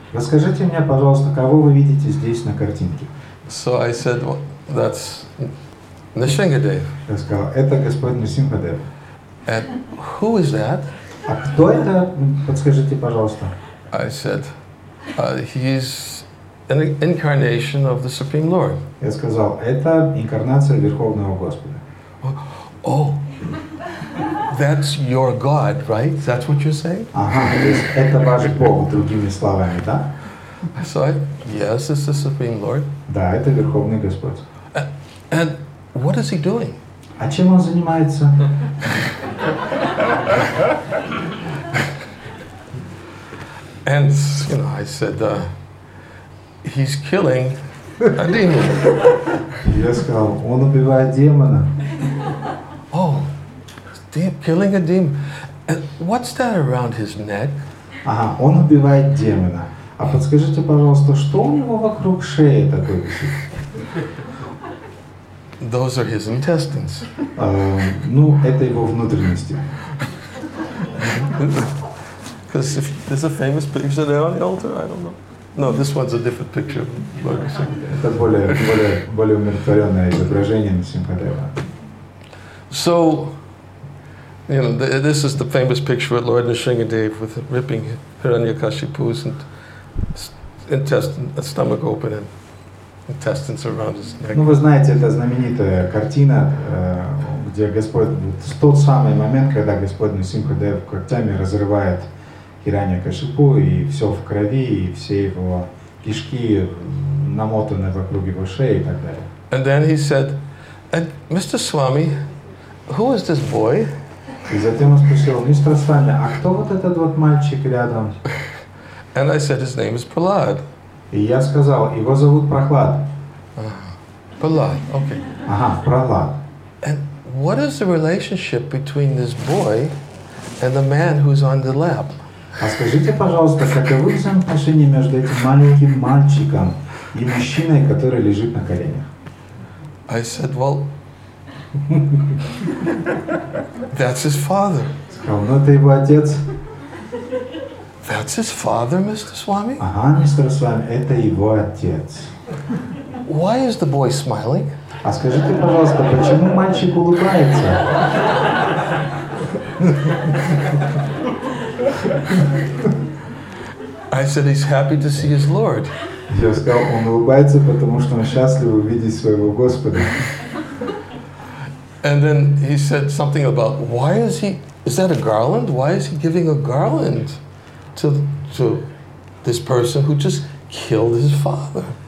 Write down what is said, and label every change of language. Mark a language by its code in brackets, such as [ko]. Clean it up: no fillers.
[ru] Расскажите мне, пожалуйста, кого вы видите здесь на картинке? [en] So I said, well, that's Нрисимхадев. [ru] Я сказал, это господин Нрисимхадев. [en] And who is that? [ru] А кто это? Подскажите, пожалуйста. [en] I said, he's an incarnation of the Supreme Lord. [ru] Я сказал, это инкарнация Верховного Господа. [en] Oh, that's your God, right? That's what you're saying? [ru] Это ваш Бог, другими словами, да? [en] So I, yes, it's the Supreme Lord. [ru] Да, это Верховный Господь. [en] And what is he doing? [ru] А чем он занимается? [en] And, you know, I said, he's killing a demon. [ru] Я сказал, он убивает демона. [en] Oh, killing a demon. And what's that around his neck? [ru] Ага, он убивает демона. А подскажите, пожалуйста, что у него вокруг шеи такое висит? [en] Those are his intestines. [ru] Ну, это его внутренности. [en] Because if there's a famous picture there on the altar, I don't know. No, this one's a different picture. [ru] Это более умиротворенное изображение на Симхадева. [en] So, you know, this is the famous picture of Lord Nrisimhadev with ripping Hiranyakashipu's intestine, stomach open, and intestines around his neck. [ru] Ну, вы знаете, это знаменитая картина, где Господь, в тот самый момент, когда Господь Нрисимхадев когтями разрывает Хиранья-Кашипу, и все в крови, и все его кишки намотаны вокруг его шеи и так далее. [en] And then he said, and Mr. Swami, who is this boy? [ru] И затем он спросил, мистер Свами, а кто вот этот вот мальчик рядом? [en] And I said, his name is Prahlad. [ru] И я сказал, его зовут Прохлад. [en] Prahlad, okay. [ru] Ага, Прохлад. [en] And what is the relationship between this boy and the man who's on the lap? [ru] А скажите, пожалуйста, каковы взаимоотношения между этим маленьким мальчиком и мужчиной, который лежит на коленях? [en] I said, well, that's his father. [ru] Сказал, ну это его отец. [en] That's his father, Mr. Swami? [ru] Ага, мистер Свами, это его отец. [en] Why is the boy smiling? [ru] А скажите, пожалуйста, почему мальчик улыбается? [en] I said he's happy to see his Lord. [ru] Я сказал, он улыбается, потому что он счастлив увидеть своего Господа. [en] And then he said something about why is he? Is that a garland? Why is he giving a garland to this person who just killed his father?